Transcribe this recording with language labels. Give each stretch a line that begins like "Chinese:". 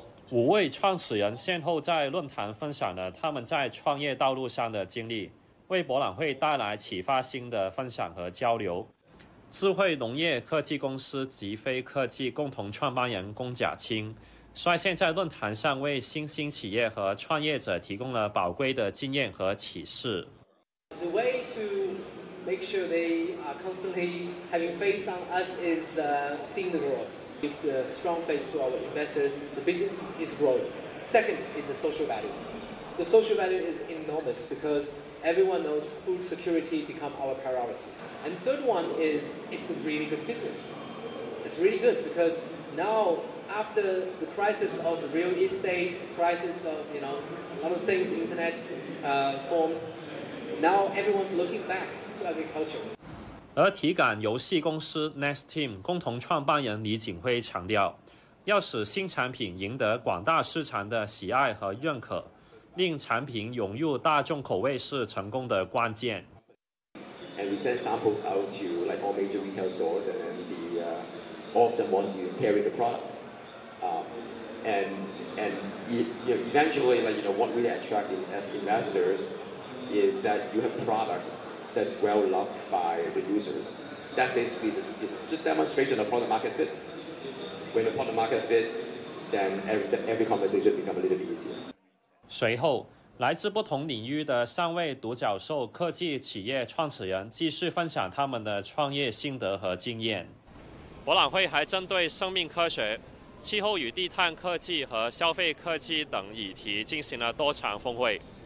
Chinese: 5位创始人先后在论坛分享了他们在创业道路上的经历，为博览会带来启发性的分享和交流。智慧农业科技公司极飞科技共同创办人龚甲青率先在论坛上为新兴企业和创业者提供了宝贵的经验和启示。
English: The way to make sure they are constantly having faith on us is seeing the growth. Give a strong faith to our investors, the business is growing. Second is the social value. The social value is enormous because everyone knows food security become our priority. And third one is, it's a really good business. It's really good because now, after the crisis of the real estate crisis of, you know, a lot of things, internet forms, now everyone's looking back to agriculture.
Chinese: 而体感游戏公司 Nest Team 共同创办人李景辉强调，要使新产品赢得广大市场的喜爱和认可，令产品融入大众口味是成功的关键。
English: And we send samples out to like all major retail stores, and then the all of them want to carry the product. And you know, eventually, like you know, what really attracts investors is that you have product. That's well loved by the users. That's basically it's just demonstration of product market fit. When the product market fit, then every conversation becomes a little bit easier.
Chinese: 随后，来自不同领域的三位独角兽科技企业创始人继续分享他们的创业心得和经验。博览会还针对生命科学、气候与低碳科技和消费科技等议题进行了多场峰会。